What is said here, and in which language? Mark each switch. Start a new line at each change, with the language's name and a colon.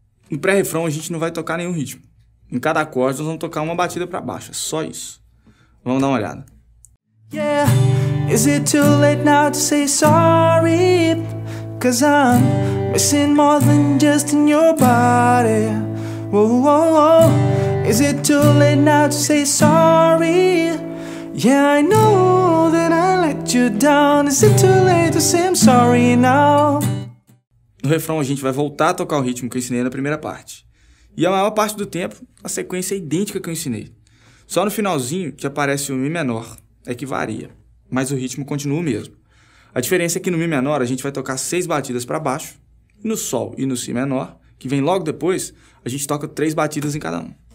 Portuguese: No pré-refrão a gente não vai tocar nenhum ritmo. Em cada acorde nós vamos tocar uma batida para baixo, só isso. Vamos dar uma olhada. Yeah.
English: Is it too late now to say sorry? 'Cause I'm missing more than just in your body. Whoa, whoa, whoa. Is it too late now to say sorry? Yeah, I know that I let you down. Is it too late to say I'm sorry now?
Portuguese: No refrão a gente vai voltar a tocar o ritmo que eu ensinei na primeira parte. E a maior parte do tempo, a sequência é idêntica que eu ensinei. Só no finalzinho que aparece o Mi menor, é que varia. Mas o ritmo continua o mesmo. A diferença é que no Mi menor a gente vai tocar seis batidas para baixo, no Sol e no Si menor, que vem logo depois, a gente toca três batidas em cada um.